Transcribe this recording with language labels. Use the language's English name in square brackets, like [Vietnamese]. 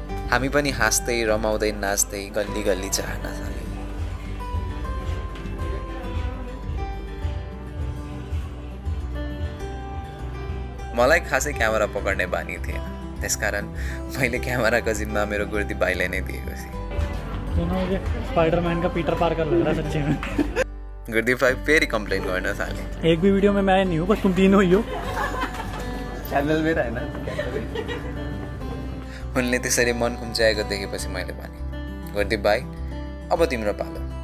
[Nepali] हामी पनि हाँस्दै रमाउँदै नाच्दै गल्ली गल्ली जान थाले। मलाई खासै क्यामेरा पकड्ने बानी थिएन, त्यसकारण मैले क्यामेराको जिम्मा मेरो गुर्दी भाइलाई नै दिएको थिएँ। [Hindi] स्पाइडरम्यानको पिटर पार्कर लग रहा सच्ची में। [Nepali] गुर्दी भाई फेरि कम्प्लेन गर्न थाले। [Hindi] एक भी वीडियो में मैं नहीं हूं, बस तुम तीन हो। च्यानल मेरा है ना। [Nepali] उनले त्यसरी मन खुम्च्याएको देखेपछि मैले भने, गुर्दीप भाई अब तिम्रो पालो।